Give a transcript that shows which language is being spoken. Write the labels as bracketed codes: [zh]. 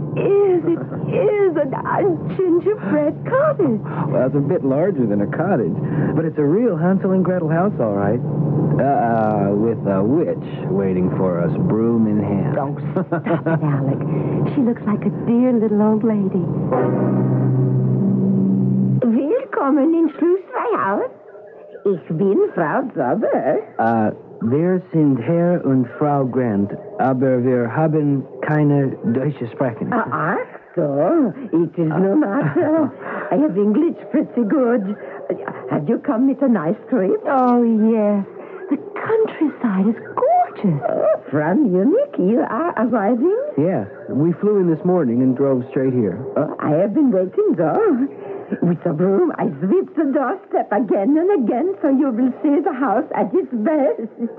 [en] It is a gingerbread cottage. Well, it's a bit larger than a cottage, but it's a real Hansel and Gretel house, all right. With a witch waiting for us, broom in hand. Don't stop it, Alec. She looks like a dear little old lady. [de] Willkommen in Schlusswehrhaus. Ich bin Frau Zauber. Wir sind Herr und Frau Grant, aber wir haben keine deutsche Sprache. Ach so, [en] it is no matter. I have English pretty good. Have you come with a nice trip? Oh, yes. The countryside is gorgeous. From Munich, you are arriving? Yes, we flew in this morning and drove straight here. I have been waiting, though. With a broom, I sweep the doorstep again and again so you will see the house at its best.